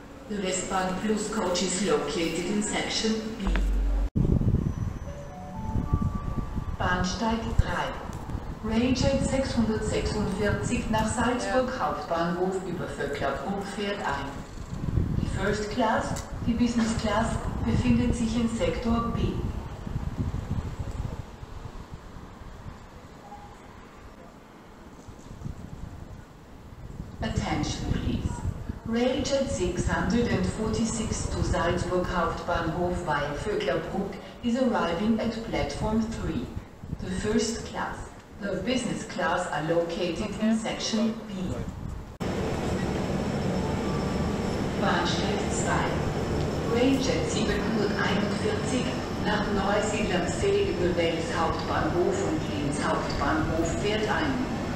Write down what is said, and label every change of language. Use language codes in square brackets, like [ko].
[en] The Westbahn Plus coach is located in Section B. [de] Bahnsteig 3. Range 646 nach Salzburg Hauptbahnhof über Vöcklabruck fährt ein. Die First Class, die Business Class, befindet sich in Sektor B. [en] Attention please. Railjet 646 to Salzburg Hauptbahnhof by Vöcklabruck is arriving at Platform 3. The first class, the business class are located in Section B. [de] Bahnsteig 2. Railjet 741 nach Neusiedl am See über Wels Hauptbahnhof und Linz Hauptbahnhof fährt ein.